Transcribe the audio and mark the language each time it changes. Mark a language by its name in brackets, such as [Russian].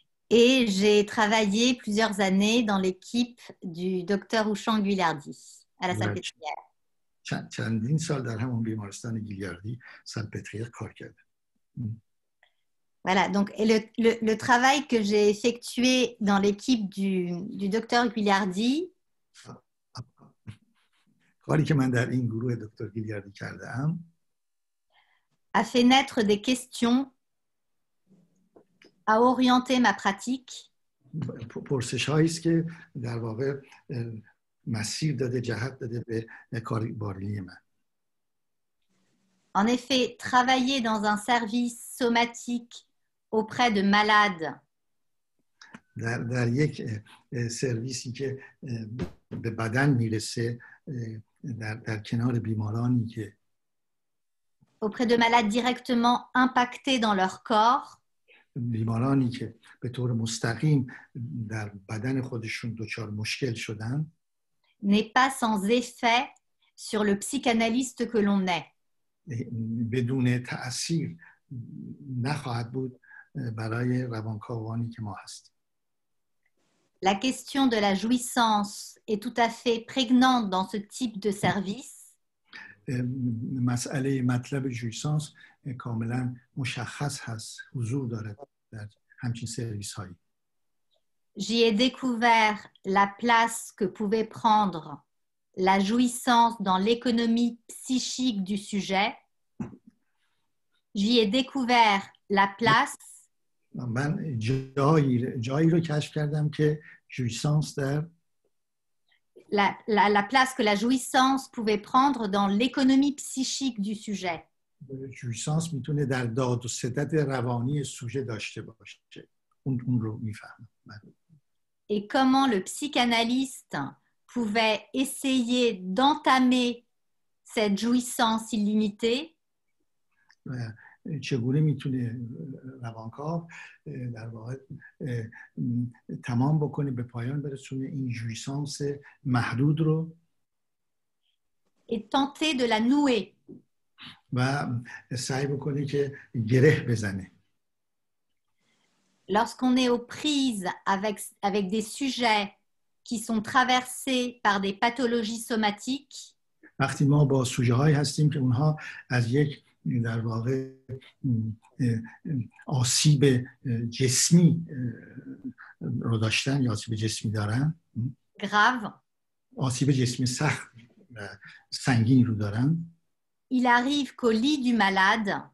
[French] Et j'ai travaillé plusieurs années dans l'équipe du docteur Ushan Guilardi à la Salpêtrière. [Persian] چندین سال در همون بیمارستان گیلیاردی سالپتریر کار کرد. [French] Voilà, donc le travail que j'ai effectué dans l'équipe du docteur Guilardi. [Persian] کاری که من در این گروه دکتر گیلیاردی کردم. [French] A fait naître des questions, a orienté ma pratique. [Persian] پرسش هایی است که در واقع مسیر داده جهت داده به کار بالینی من. [French] En effet, travailler dans un service somatique auprès de malades. [Persian] در یک سرویسی که به بدن میرسه در کنار بیمارانی که [French] auprès de malades directement impactés dans leur corps. [Persian] بیمارانی که به طور مستقیم در بدن خودشون دچار مشکل شدن. [French] N'est pas sans effet sur le psychanalyste que l'on est. [Persian] بدون تأثیر نخواهد بود برای روانکاوانی که ما هستیم. [French] La question de la jouissance est tout à fait prégnante dans ce type de service. [Persian] مسئله مطلب جویسانس کاملا مشخص هست، حضور دارد در همچین سرویس هایی. [French] J'y ai découvert la place que pouvait prendre la jouissance dans l'économie psychique du sujet. J'y ai découvert la place. La place que la jouissance pouvait prendre dans l'économie psychique du sujet. La jouissance peut être dans l'ordre, c'est-à-dire avant le sujet d'acheter. On le comprend. Et comment le psychanalyste pouvait essayer d'entamer cette jouissance illimitée? [Persian] چگونه میتونه روانکاو در واقع تمام بکنه به پایان برسونه این جویسانس محدود رو [French] et tenter de la nouer. [Persian] و سعی بکنه که گره بزنه. [French] Lorsqu'on est aux prises avec des sujets qui sont traversés par des pathologies somatiques, [Persian] وقتی ما با سوژه‌هایی هستیم که اونها از یک در واقع آسیب جسمی رو داشتن یا آسیب جسمی دارن [French] grave [Persian] آسیب جسمی سخت سنگین رو دارن [French] il arrive qu'au lit du malade